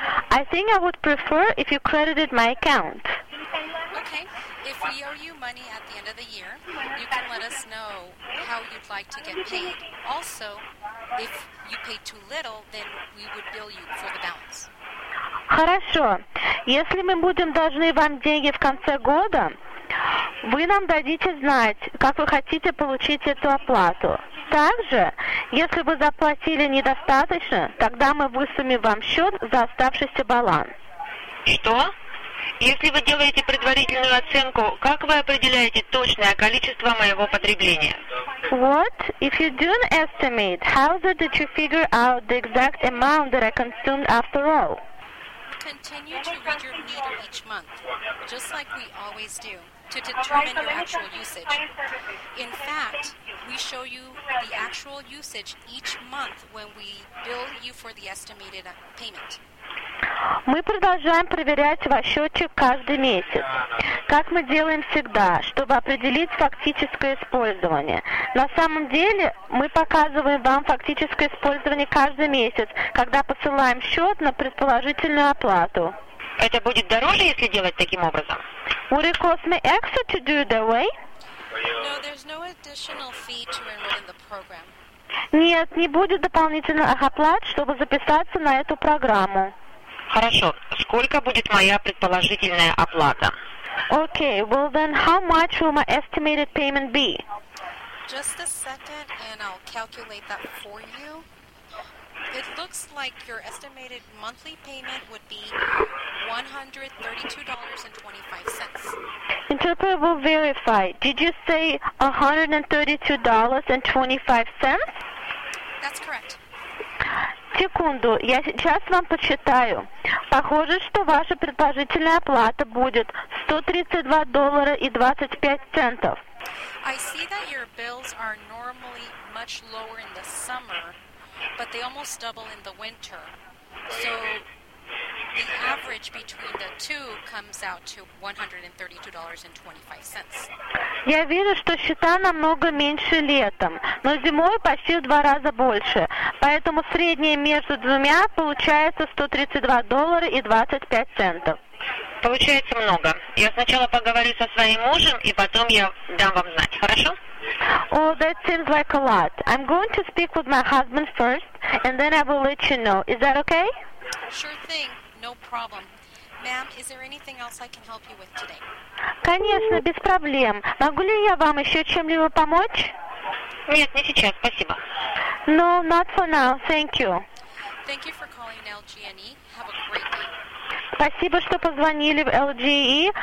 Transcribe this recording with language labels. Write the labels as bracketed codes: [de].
[en] I think I would prefer if you credited my account. Okay. If we owe you money at the end of the year, you can let us know how you'd like to get paid. Also, if you pay too little, then we would bill you for the balance. [ru] Хорошо. Если мы будем должны вам деньги в конце года, вы нам дадите знать, как вы хотите получить эту оплату. Также, если вы заплатили недостаточно, тогда мы высумим вам счет за оставшийся баланс. Что? Если вы делаете предварительную оценку, как вы определяете точное количество моего потребления? [en] What? If you do an estimate, how did you figure out the exact amount that I consumed after all? Continue to read your meter each month, just like we always do, to determine your actual usage. In fact, we show you the actual usage each month when we bill you for the estimated payment. [ru] Мы продолжаем проверять ваш счетчик каждый месяц, как мы делаем всегда, чтобы определить фактическое использование. На самом деле мы показываем вам фактическое использование каждый месяц, когда посылаем счет на предположительную оплату. Это будет дороже, если делать таким образом? [en] Would it cost me extra to do it that way? No, there's no additional fee to enroll in the program. [ru] Нет, не будет дополнительных оплат, чтобы записаться на эту программу. Хорошо. Сколько будет моя предположительная оплата? [en] Okay, well then, how much will my estimated payment be? Just a second, and I'll calculate that for you. It looks like your estimated monthly payment would be $132.25. Interpreter will verify. Did you say $132.25? That's correct. [ru] Секунду, я сейчас вам подсчитаю. Похоже, что ваша предположительная оплата будет $132.25. [en] I see that your bills are normally much lower in the summer, but they almost double in the winter. So the average between the two comes out to $132.25. [ru] Я вижу, что счета намного меньше летом, но зимой почти в два раза больше. Поэтому среднее между двумя получается $132.25. Получается много. Я сначала поговорю со своим мужем, и потом я дам вам знать, хорошо? [en] Oh, that seems like a lot. I'm going to speak with my husband first, and then I will let you know. Is that okay? Sure thing. No problem. Ma'am, is there anything else I can help you with today? [ru] Конечно, без проблем. Могу ли я вам еще чем-либо помочь? Нет, не сейчас, спасибо. [en] No, not for now. Thank you. Thank you for calling LGNE. Have a great day. [ru] Спасибо, что позвонили в LGE.